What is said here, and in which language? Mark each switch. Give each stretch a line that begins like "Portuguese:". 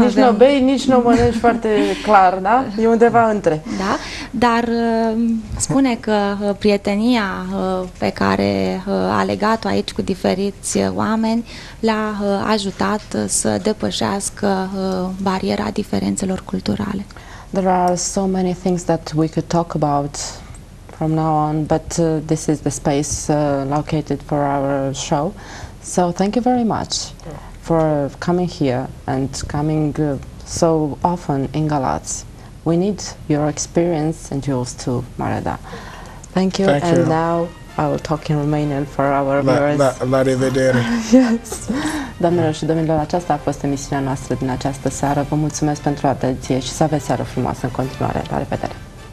Romanian: Nici nu bei, nici nu mănânci foarte clar, da? E undeva între. Da, dar spune că prietenia pe care a legat-o aici cu diferiți oameni l-a ajutat să depășească bariera diferențelor culturale.
English: There are so many things that we could talk about from now on, but this is the space located for our show. So thank you very much for coming here and coming so often in Galați. We need your experience and yours too, Mareda. Thank you. Thank and you. Now I will talk in Romanian for our viewers.
Romanian: La revedere.
English: Yes.
Romanian: Doamnelor și domnilor, aceasta a fost emisiunea noastră din această seară. Vă mulțumesc pentru atenție și să aveți seară frumoasă în continuare. La revedere.